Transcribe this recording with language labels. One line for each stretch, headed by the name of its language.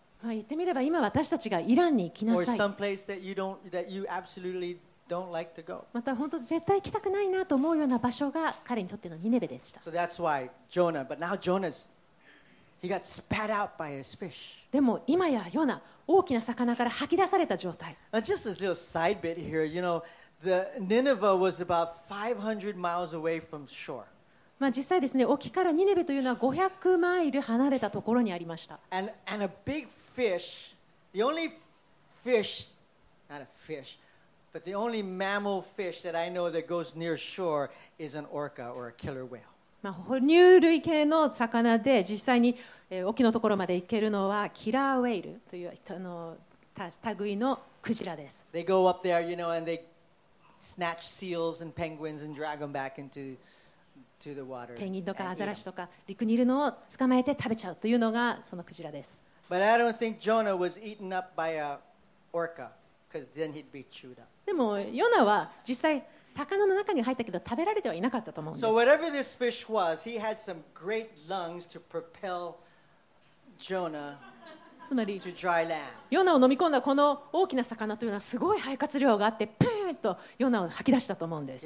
Japanese: まあ言ってみれば今私たちがイランに行きなさい。
English: Or some place that you don't, that you absolutely don't like to go.
Japanese: また本当絶対行きたくないなと思うような場所が彼にとってのニネベでした。
English: So that's why Jonah. But now Jonah's. He got spat out by his fish.
Japanese: でも今やヨナ、大きな魚から吐き出された状態。
English: Just a little side bit here, you know, the Nineveh was about 500 miles away from shore.
Japanese: まあ実際ですね、沖からニネベというのは500マイル離れたところにありました。
English: And a big fish, the only fish, not a fish, but the only mammal fish that I know that goes near shore is an orca or a killer whale.
Japanese: まあ、哺乳類系の魚で実際に、沖のところまで行けるのはキラーウェイルというあの類のクジラです。
English: They go up there, you know, and they snatch seals and penguins and drag them back into the water.
Japanese: ペンギンとかアザラシとか陸にいるのを捕まえて食べちゃうというのがそのクジラです。
English: But I don't think Jonah was eaten up by a orca because then he'd be chewed up.
Japanese: でもヨナは実際魚の中に入ったけど食べられてはいなかったと思うんです。
English: So whatever this fish was, he had some great lungs to propel Jonah to dry land.
Japanese: ヨナを飲み込んだこの大きな魚というのはすごい肺活量があってプーンとヨナを吐き出したと思うんです。